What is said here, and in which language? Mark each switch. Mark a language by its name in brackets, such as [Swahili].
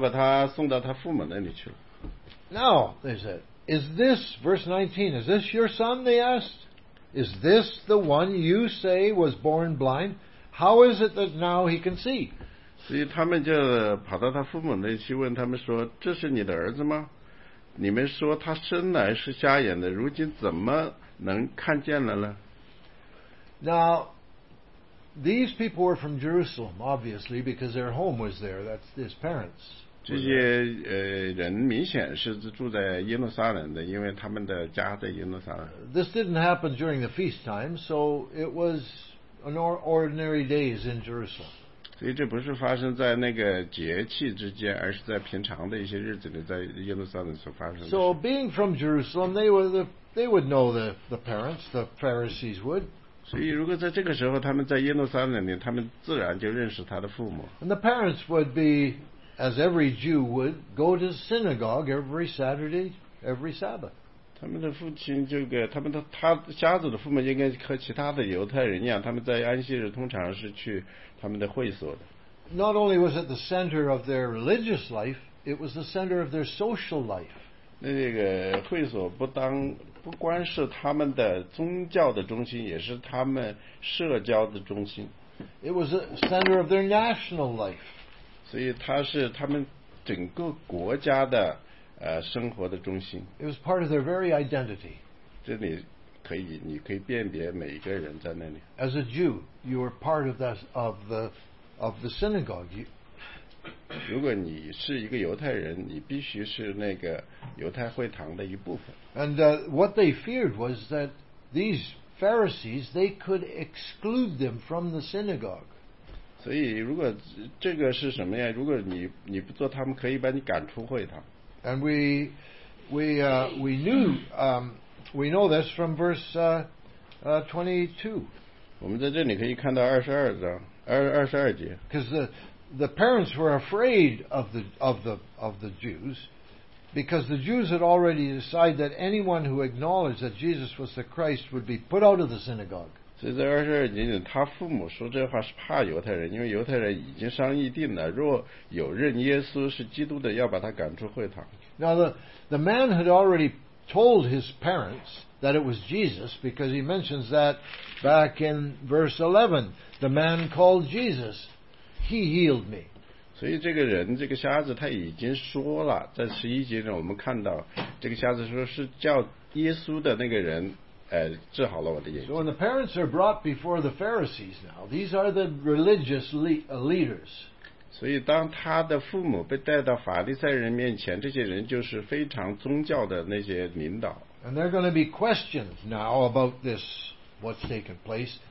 [Chinese] 把他送到他父母那里去了。 [English] Now they said, "Is this verse 19? Is this your son?" They asked. "Is this the one you say was born blind? How is it that now he can see?" [Chinese] 所以他们就跑到他父母那去问他们说，这是你的儿子吗？你们说他生来是瞎眼的，如今怎么能看见了呢？ [English] Now these people were from Jerusalem, obviously, because their home was there. That's his parents. [Chinese] 这些人明显是住在耶路撒冷的，因为他们的家在耶路撒冷。 [English] This didn't happen during the feast time, so it was an ordinary days in Jerusalem. [Chinese] 所以这不是发生在那个节气之间，而是在平常的一些日子里，在耶路撒冷所发生的。 [English] So being from Jerusalem, they would know the parents, the Pharisees would. [Chinese] 所以如果在这个时候他们在耶路撒冷里，他们自然就认识他的父母。 [English] And the parents would be, as every Jew would, go to synagogue every Saturday, every Sabbath. [Chinese] 他们的父亲这个，他们的他瞎子的父母应该和其他的犹太人一样，他们在安息日通常是去。 [English] Not only was it the center of their religious life, it was the center of their social life. [Chinese] 那这个会所不光是他们的宗教的中心，也是他们社交的中心。 [English] It was the center of their national life. [Chinese] 所以它是他们整个国家的生活的中心。 [English] It was part of their very identity. [Chinese] 这里。你可以辨别每一个人在那里。 [English] As a Jew, you were part of the synagogue. [Chinese] 如果你是一个犹太人，你必须是那个犹太会堂的一部分。 [English] And what they feared was that these Pharisees, they could exclude them from the synagogue. [Chinese] 所以如果这个是什么呀？如果你不做，他们可以把你赶出会堂。 [English] And we knew. We know this from verse 22. [Chinese] 我们在这里可以看到22节。 [English] Because the parents were afraid of the Jews, because the Jews had already decided that anyone who acknowledged that Jesus was the Christ would be put out of the synagogue. [Chinese] 所以在二十二节里，他父母说这话是怕犹太人，因为犹太人已经商议定了，若有认耶稣是基督的，要把他赶出会堂。 [English] Now the man had already. Told his parents that it was Jesus because he mentions that back in verse 11. The man called Jesus, he healed me. [Chinese] 所以这个人这个瞎子他已经说了，在十一节呢，我们看到这个瞎子说是叫耶稣的那个人，治好了我的眼睛。 [English] So when the parents are brought before the Pharisees now, these are the religious leaders. [Chinese] 所以当他的父母被带到法利赛人面前，这些人就是非常宗教的那些领导。 [English] And they're going to be questioned now about this, what's taken place.